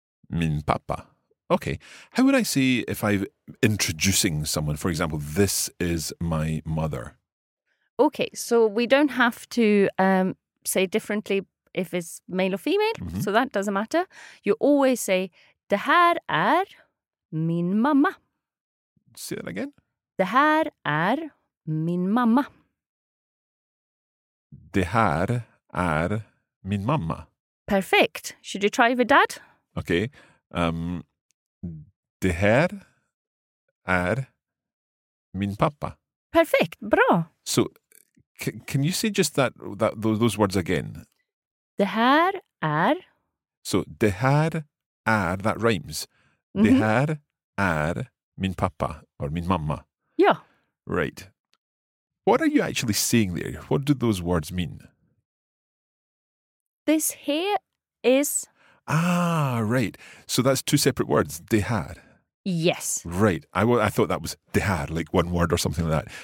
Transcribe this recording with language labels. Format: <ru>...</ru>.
<sv>Min pappa. Okay.</sv> <en>How would I say if I'm introducing someone? For example, this is my mother. Okay, so we don't have to say differently if it's male or female, mm-hmm. so that doesn't matter. You always say,</en> <sv>det här är min mamma.</sv> <en>Say that again.</en> <sv>Det här är min mamma. Det här är min mamma.</sv> <en>Perfect. Should you try with dad? Okay.</en> <sv>Det här är min pappa.</sv> <en>Perfect. Bra. So, can you say just that those words again?</en> <sv>Det här är.</sv> <en>So,</en> <sv>det här är,</sv> <en>that rhymes. Mm-hmm.</en> <sv>Det här är min pappa or min mamma.</sv> <en>Yeah. Right. What are you actually saying there? What do those words mean? This here is... Ah, right. So that's two separate words.</en> <sv>Det här.</sv> <en>Yes. Right. I thought that was</en> <sv>det här,</sv> <en>like one word or something like that.</en>